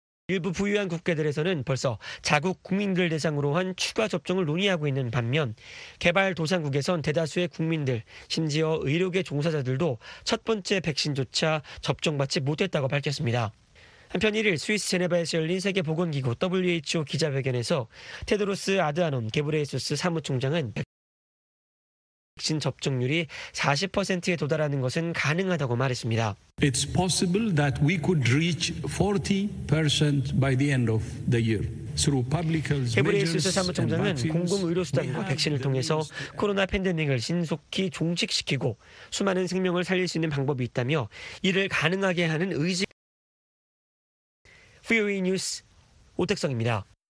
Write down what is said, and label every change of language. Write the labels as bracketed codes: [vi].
[ko] 일부 부유한 국가들에서는 벌써 자국 국민들 대상으로 한 추가 접종을 논의하고 있는 반면 개발도상국에선 대다수의 국민들, 심지어 의료계 종사자들도 첫 번째 백신조차 접종받지 못했다고 밝혔습니다. 한편 1일 스위스 제네바에서 열린 세계보건기구 WHO 기자회견에서 테드로스 아드하놈 게브레이수스 사무총장은 백신 접종률이 40%에 도달하는 것은 가능하다고 말했습니다. [en] It's possible that we could reach 40% by the end of the year. [ko] 헤브레이스 사무총장은 공공의료수단과 백신을 통해서 코로나 팬데믹을 신속히 종식시키고 수많은 생명을 살릴 수 있는 방법이 있다며 이를 가능하게 하는 의지 VOA 뉴스 오택성입니다.